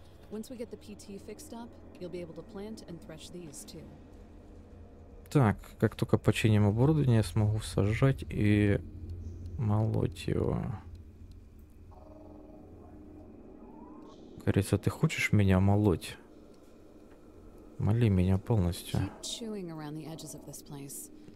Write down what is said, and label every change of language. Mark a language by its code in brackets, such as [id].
[en] Once we get the PT fixed up, you'll be able to plant and thresh these too. [ru] Так, как только починим оборудование, я смогу сажать и молоть его. Корица, ты хочешь меня молоть? Моли меня полностью. [en] Keep chewing around the edges of this place.